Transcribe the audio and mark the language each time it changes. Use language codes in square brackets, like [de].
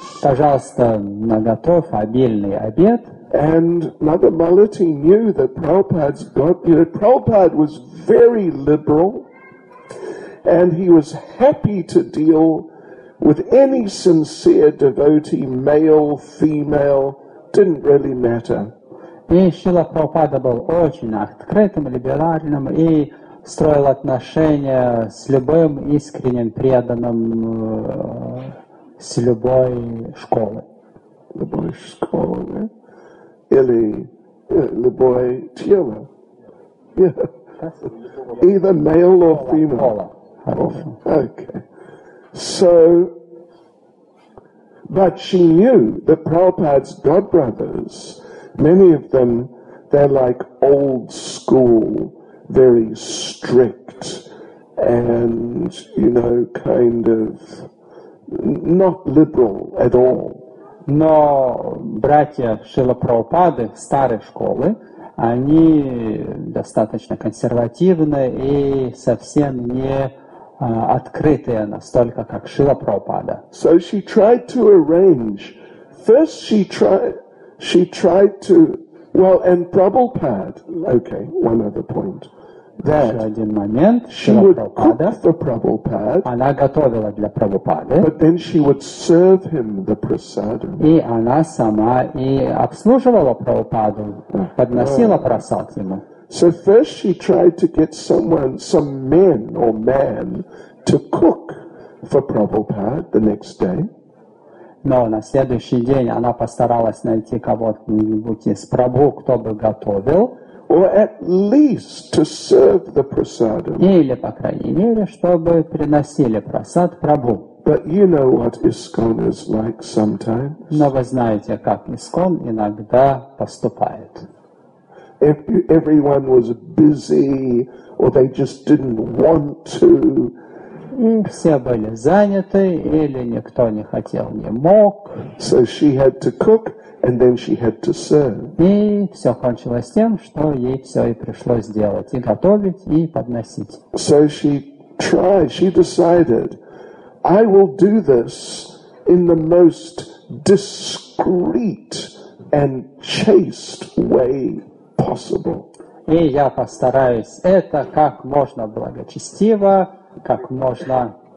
[ru] Пожалуйста, наготовь обильный обед. [en] And Mother Malati knew that Prabhupada's God, you know, Prabhupada was very liberal. And he was happy to deal with any sincere devotee, male, female, didn't really matter. [ru] И Шрила Прабхупада был очень открытым, либеральным и строил отношения с любым искренним преданным с любой школы. Любой школы, да? Или любой тела. [en] Either male or female. So, but she knew that Prabhupada's god brothers, many of them, they're like old school, very strict, and, you know, kind of not liberal at all. [ru] Но братья Шрилы Прабхупады старой школы, они достаточно консервативны и совсем не открытые настолько, как Шрила Прабхупада. [en] So she tried to arrange. First she tried to, and Prabhupada. Okay, one other point. That [ru] еще один момент. [en] She would cook for Prabhupada. [ru] Она готовила для Прабхупады. [en] But then she would serve him the prasadam. [ru] И она сама и обслуживала Прабхупаду, подносила прасад ему. [en] So first she tried to get someone, some men or man, to cook for Prabhupada the next day. [ru] Но на следующий день она постаралась найти кого-нибудь из Прабху, кто бы готовил. [en] Or at least to serve the prasadam. [ru] Или, по крайней мере, чтобы приносили прасад Прабху. [en] But you know what ISKCON is like sometimes. [ru] Но вы знаете, как ISKCON иногда поступает. [en] If everyone was busy, or they just didn't want to. [ru] Все были заняты, или никто не хотел, не мог. [en] So she had to cook, and then she had to serve. [ru] И все кончилось тем, что ей все и пришлось делать, и готовить, и подносить. [en] So she tried, she decided, I will do this in the most discreet and chaste way. [ru] И я постараюсь это как можно благочестиво, как можно